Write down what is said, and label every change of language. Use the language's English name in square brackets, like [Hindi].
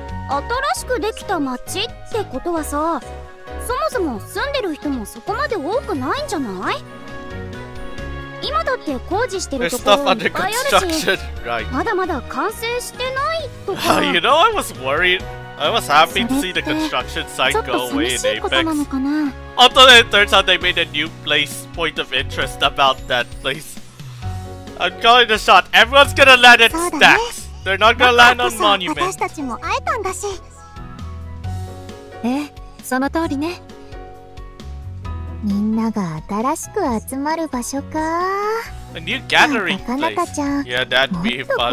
[Japanese] 新しくできた町ってことはさ、そもそも住んでる人もそこまで多くないんじゃない？今だって工事してるところいっぱいあるし、まだまだ完成してないとか。 [English] You know, I was worried. I was happy to see the construction site go away in Apex. Until it turns out they made a new place point of interest about that place. I'm calling the shot. Everyone's gonna land in stacks. They're not gonna land on monuments. [Japanese] 私たちも会えたんだし。ええ、その通りね。みんなが新しく集まる場所か。 [English] A new gathering place. [Japanese] なかなかちゃん。 [English] Yeah, that'd be fun to see.